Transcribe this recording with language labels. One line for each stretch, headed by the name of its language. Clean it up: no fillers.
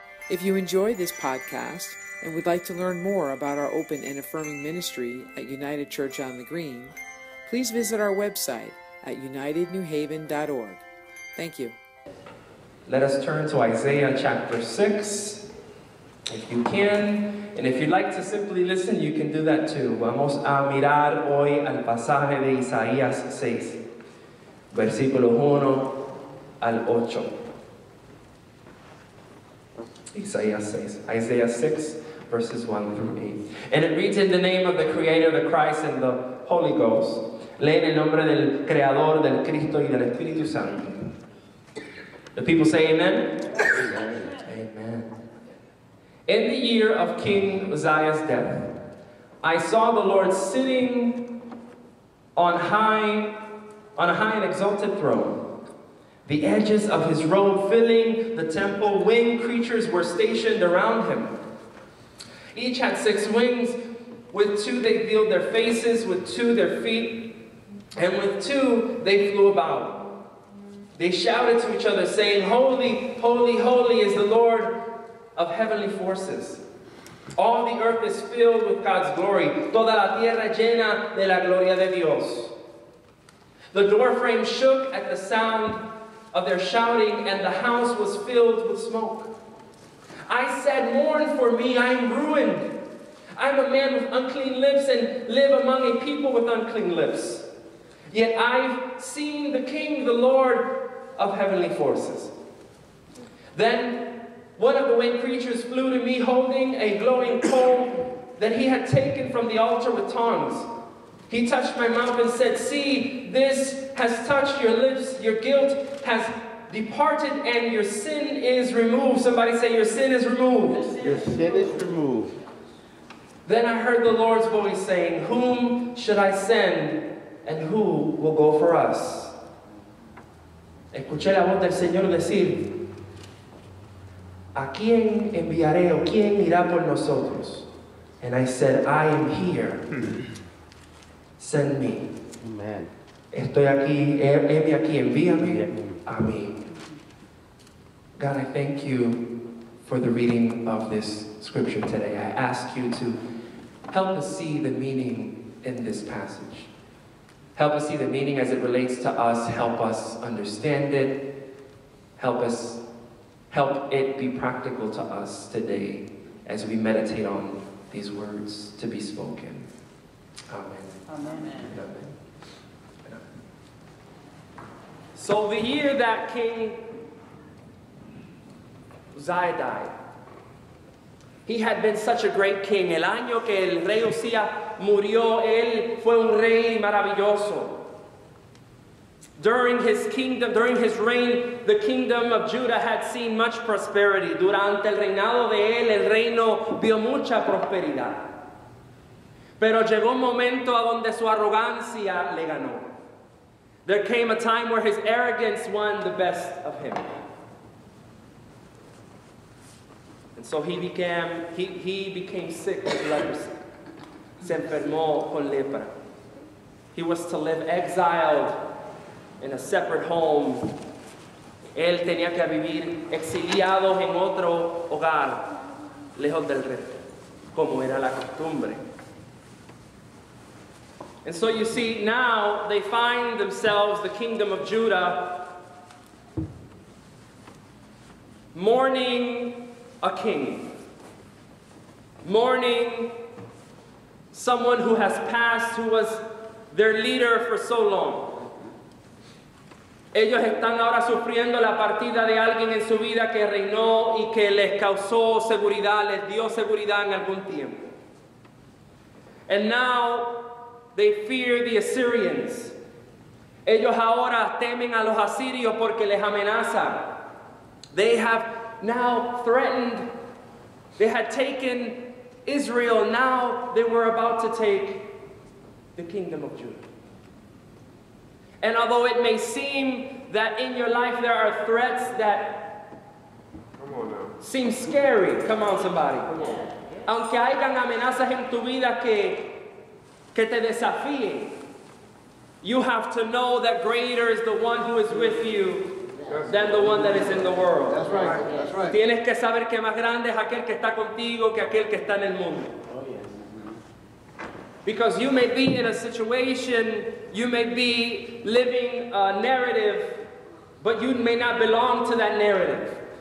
English: If you enjoy this podcast and would like to learn more about our open and affirming ministry at United Church on the Green, please visit our website at unitednewhaven.org. Thank you. Let us turn to Isaiah chapter 6. If you can, and if you'd like to simply listen, you can do that too.
Spanish: Vamos a mirar hoy al pasaje de Isaías 6, versículo 1 al 8.
English: Isaiah 6, verses 1 through 8. And it reads, in the name of the Creator, the Christ, and the Holy Ghost.
Spanish: Lee en el nombre del Creador, del Cristo, y del Espíritu Santo.
English: The people say amen. In the year of King Uzziah's death, I saw the Lord sitting on a high and exalted throne, the edges of his robe filling the temple. Winged creatures were stationed around him. Each had six wings. With two they veiled their faces, with two their feet, and with two they flew about. They shouted to each other, saying, "Holy, holy, holy is the Lord of heavenly forces. All the earth is filled with God's glory.
Spanish: Toda la tierra llena de la gloria de Dios."
English: The door frame shook at the sound of their shouting, and the house was filled with smoke. I said, "Mourn for me, I am ruined. I am a man with unclean lips and live among a people with unclean lips. Yet I've seen the King, the Lord of heavenly forces." Then one of the winged creatures flew to me, holding a glowing coal that he had taken from the altar with tongs. He touched my mouth and said, "See, this has touched your lips. Your guilt has departed and your sin is removed." Somebody say, "Your sin is removed." Your sin is removed. Then I heard the Lord's voice saying, "Whom should I send and who will go for us?"
Spanish: Escuché la voz del Señor decir, "¿A quién enviaré o quién irá por nosotros?"
English: And I said, "I am here. Send me." Amen.
Spanish: Estoy aquí, heme aquí, envíame a mí.
English: God, I thank you for the reading of this scripture today. I ask you to help us see the meaning in this passage. Help us see the meaning as it relates to us. Help us understand it. Help it be practical to us today as we meditate on these words to be spoken. Amen. Amen. Amen. Amen. So the year that King Uzziah died, he had been such a great king.
Spanish: El año que el rey Uzziah murió, él fue un rey maravilloso.
English: During his kingdom, during his reign, the kingdom of Judah had seen much prosperity.
Spanish: Durante el reinado de él, el reino vio mucha prosperidad. Pero llegó un momento a donde su arrogancia le ganó.
English: There came a time where his arrogance won the best of him. And so he became sick with leprosy.
Spanish: Se enfermó con lepra.
English: He was to live exiled in a separate home.
Spanish: Él tenía que vivir exiliado en otro hogar, lejos del rey, como era la costumbre.
English: And so you see, now they find themselves, the kingdom of Judah, mourning a king, mourning someone who has passed, who was their leader for so long.
Spanish: Ellos están ahora sufriendo la partida de alguien en su vida que reinó y que les causó seguridad, les dio seguridad en algún tiempo.
English: And now they fear the Assyrians.
Spanish: Ellos ahora temen a los asirios porque les amenazan.
English: They have now threatened, they had taken Israel, now they were about to take the kingdom of Judah. And although it may seem that in your life there are threats that come on now. Seem scary, come on somebody. Come on.
Spanish: Aunque hayan amenazas en tu vida que te desafíen.
English: You have to know that greater is the one who is with you than the one that is in the world. That's right. That's right.
Spanish: Tienes que saber que más grande es aquel que está contigo que aquel que está en el mundo.
English: Because you may be in a situation, you may be living a narrative, but you may not belong to that narrative.